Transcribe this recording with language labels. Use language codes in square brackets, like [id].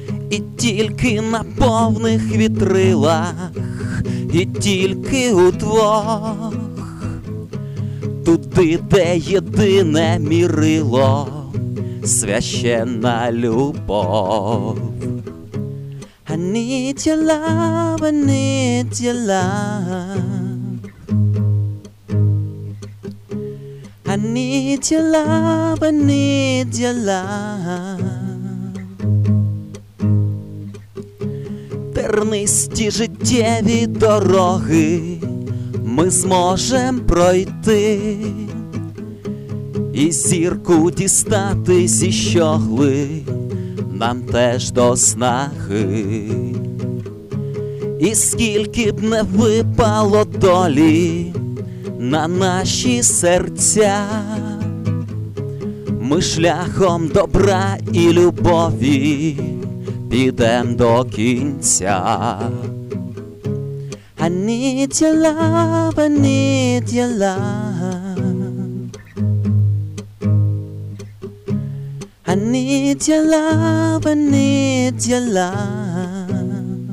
[uk] І тільки на повних вітрилах, і тільки удвох, туди, де єдине мірило, священна любов. [en] I need your love, I need your love. I need your love, I need your love. [uk] Тернисті життєві дороги ми зможем пройти. І зірку дістати зі щогли нам теж до снаги. І скільки б не випало долі на наші серця, ми шляхом добра і любові підем до кінця. [en] I need your love, I need your love. I need your love, I need your love.